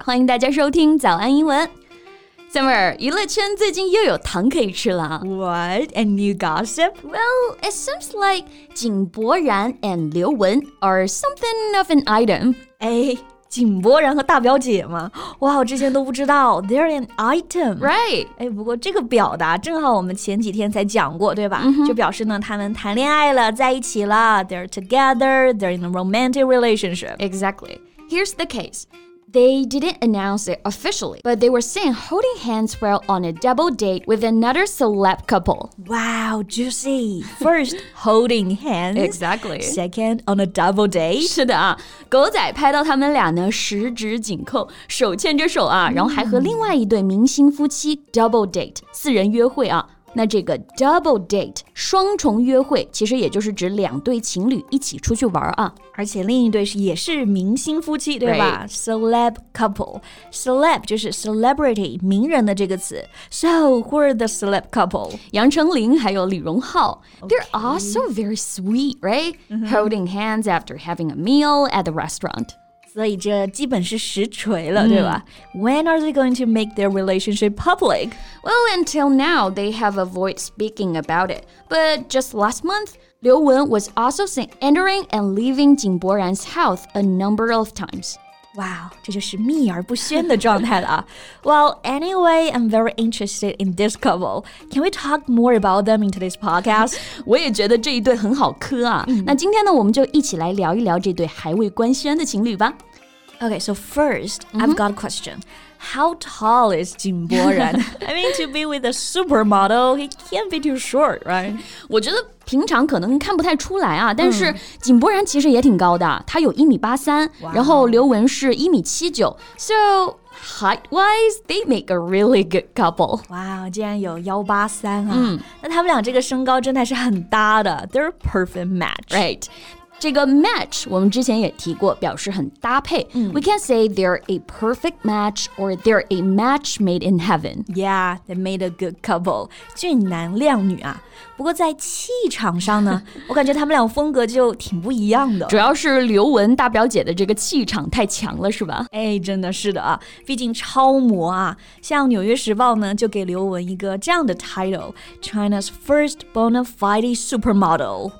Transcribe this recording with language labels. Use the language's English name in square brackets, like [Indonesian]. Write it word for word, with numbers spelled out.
[Chinese] 欢迎大家收听早安英文。Summer, 娱乐圈最近又有糖可以吃了啊。 [English] What? And new gossip? Well, it seems like 井柏然 and 刘雯 are something of an item. [Chinese] 哎，井柏然和大表姐嘛，哇，我之前都不知道 [English] they're an item. Right. [Chinese] 哎，不过这个表达正好我们前几天才讲过，对吧？ Mm-hmm. 就表示呢，他们谈恋爱了，在一起了 ， [English] they're together, they're in a romantic relationship. Exactly. Here's the case. They didn't announce it officially, but they were seen holding hands while on a double date with another celeb couple. Wow, juicy. First, holding hands. Exactly. Second, on a double date. [Chinese] 是的啊，狗仔拍到他们俩呢，十指紧扣，手牵着手啊，然后还和另外一对明星夫妻 double date, 四人约会啊。那这个 double date 双重约会其实也就是指两对情侣一起出去玩啊，而且另一对也是明星夫妻，对吧？Celeb couple. Celeb 就是 celebrity 名人的这个词。 [English] So who are the celeb couple? [Chinese] 杨丞琳还有李荣浩、okay. [English] They're also very sweet, right? Mm-hmm. Holding hands after having a meal at the restaurant. [Chinese] 所以这基本是实锤了，对吧？ [English] When are they going to make their relationship public? Well, until now, they have avoided speaking about it. But just last month, Liu Wen was also seen entering and leaving Jing Boran's house a number of times. [Chinese] Wow, 这就是秘而不宣的状态了啊。 [English] Well, anyway, I'm very interested in this couple. Can we talk more about them in today's podcast? [Chinese] 我也觉得这一对很好磕啊。嗯、那今天呢，我们就一起来聊一聊这对还未官宣的情侣吧。 [English] Okay, so first, I've got a question. How tall is 井柏然? I mean, to be with a supermodel, he can't be too short, right? [Chinese] 我觉得平常可能看不太出来啊，但是井柏然其实也挺高的，他有一米八三，然后刘雯是一米七九。 [English] So height-wise, they make a really good couple. [Chinese] 哇，竟然有一八三啊！嗯，那他们俩这个身高真的是很搭的 ， [English] they're perfect match, right? [Chinese] 这个 match 我们之前也提过，表示很搭配。 [English] 嗯、We can say they're a perfect match or they're a match made in heaven. Yeah, they made a good couple. [Chinese] 俊男靓女啊。不过在气场上呢，我感觉他们俩风格就挺不一样的。主要是刘雯大表姐的这个气场太强了，是吧？哎，真的是的啊，毕竟超模啊。像《纽约时报》呢，就给刘雯一个这样的 title: [English] China's first bona fide supermodel.